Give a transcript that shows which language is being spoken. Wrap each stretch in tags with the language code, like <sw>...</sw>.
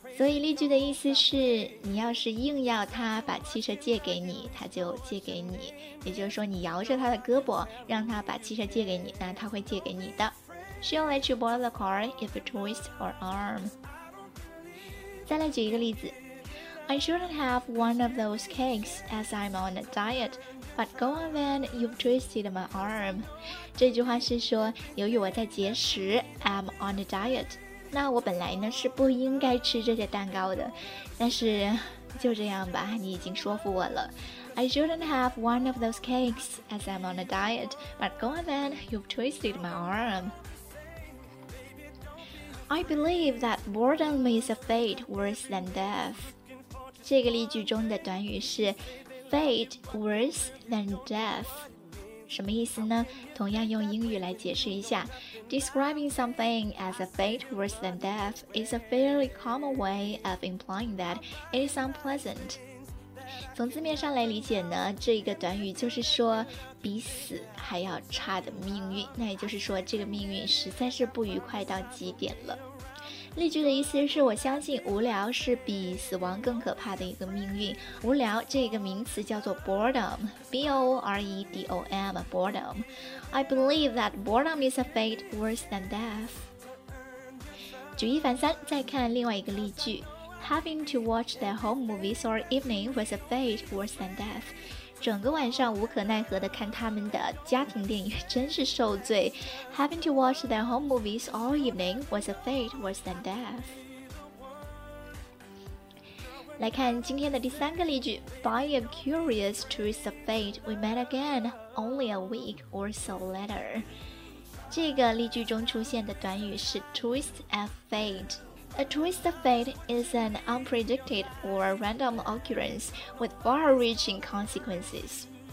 <zh>所以例句的意思是，你要是硬要他把汽车借给你，他就借给你。也就是说，你摇着他的胳膊，让他把汽车借给你，那他会借给你的。</zh> <en>She'll let you borrow the car if you twist her arm.</en> <zh>再来举一个例子</zh> <en>I shouldn't have one of those cakes as I'm on a diet, but go on then, you've twisted my arm.</en> <zh>这句话是说，由于我在节食</zh> <en>I'm on a diet,</en> <zh>那我本来呢是不应该吃这些蛋糕的，但是就这样吧，你已经说服我了</zh> <en>I shouldn't have one of those cakes as I'm on a diet, but go on then, you've twisted my arm. I believe that boredom is a fate worse than death.</en> <zh>这个例句中的短语是</zh> <en>fate worse than death.</en> <zh>什么意思呢？同样用英语来解释一下。</zh> <en>Describing something as a fate worse than death is a fairly common way of implying that it is unpleasant.</en> <zh>从字面上来理解呢，这个短语就是说比死还要差的命运，那也就是说这个命运实在是不愉快到极点了。例句的意思是，我相信无聊是比死亡更可怕的一个命运。无聊这个名词叫做 boredom, B-O-R-E-D-O-M, boredom.</zh> <en>I believe that boredom is a fate worse than death.</en> <zh>举一反三，再看另外一个例句。</zh> <en>Having to watch the home movies all evening was a fate worse than death.</en> <zh>整个晚上无可奈何地看他们的家庭电影真是受罪。</zh> <en>Having to watch the home movies all evening was a fate worse than death.</en> <zh>来看今天的第三个例句。</zh> <en>By a curious twist of fate, we met again only a week or so later.</en> <zh>这个例句中出现的短语是</zh> <en>twist of fate. A twist of fate is an unpredicted or random occurrence with far-reaching consequences.</en>